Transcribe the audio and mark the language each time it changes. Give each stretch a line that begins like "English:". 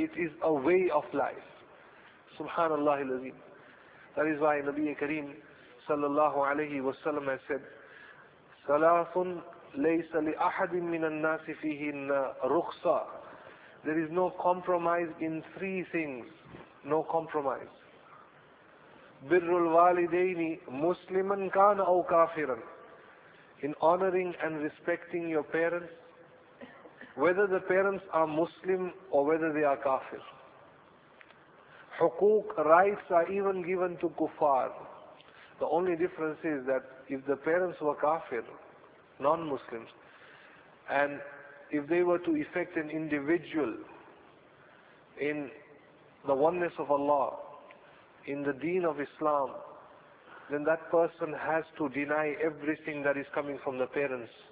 English: It is a way of life. Subhanallah al-Azim. That is why Nabi Kareem sallallahu alayhi wa sallam has said,
Arabic: Salafun ليس لأحد من الناس فيه رخصة.
English: There is no compromise in three things. No compromise.
Arabic: بر الوالدين مسلما كان أو كافرا.
English: In honoring and respecting your parents, whether the parents are Muslim or whether they are kafir. حقوق, rights are even given to kuffar. The only difference is that if the parents were kafir, non-Muslims, and if they were to affect an individual in the oneness of Allah, in the deen of Islam, then that person has to deny everything that is coming from the parents.